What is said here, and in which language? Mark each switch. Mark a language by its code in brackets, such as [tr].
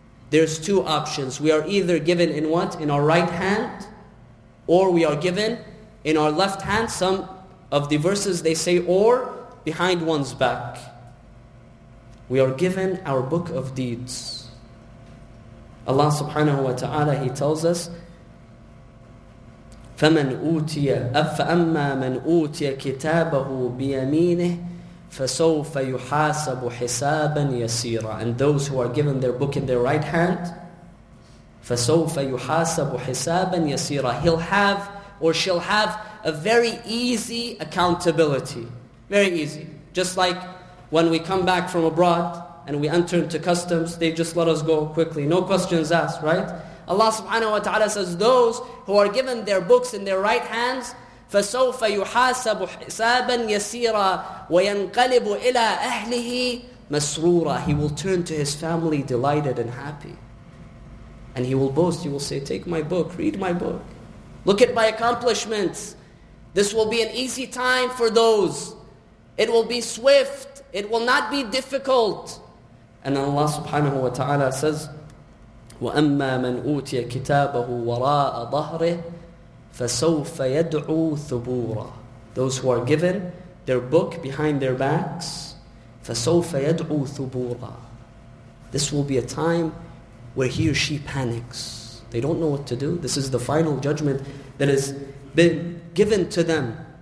[en] There's two options. We are either given in what? In our right hand, or we are given in our left hand. Some of the verses they say, or behind one's back. We are given our book of deeds. Allah subhanahu wa ta'ala, He tells us, [ar] فَمَنْ أُوْتِيَ أَفَأَمَّا مَنْ أُوْتِيَ كِتَابَهُ بِيَمِينِهِ فَسَوْفَ يُحَاسَبُ حِسَابًا يَسِيرًا. [en] And those who are given their book in their right hand, [ar] فَسَوْفَ يُحَاسَبُ حِسَابًا يَسِيرًا. [en] He'll have, or she'll have, a very easy accountability. Very easy. Just like when we come back from abroad and we enter into customs, they just let us go quickly. No questions asked, right? Allah subhanahu wa ta'ala says, those who are given their books in their right hands, [ar] فَسَوْفَ يُحَاسَبُ حِسَابًا يَسِيرًا وَيَنْقَلِبُ إِلَىٰ أَهْلِهِ مَسْرُورًا. [en] He will turn to his family delighted and happy. And he will boast, he will say, take my book, read my book. Look at my accomplishments. This will be an easy time for those. It will be swift. It will not be difficult. And then Allah subhanahu wa ta'ala says, [ar] وَأَمَّا مَنْ أُوْتِيَ كِتَابَهُ وَرَاءَ ظَهْرِهِ فَسَوْفَ يَدْعُو ثُبُورًا. [en] Those who are given their book behind their backs, [ar] فَسَوْفَ يَدْعُو ثُبُورًا. [en] This will be a time where he or she panics. They don't know what to do. This is the final judgment that has been given to them.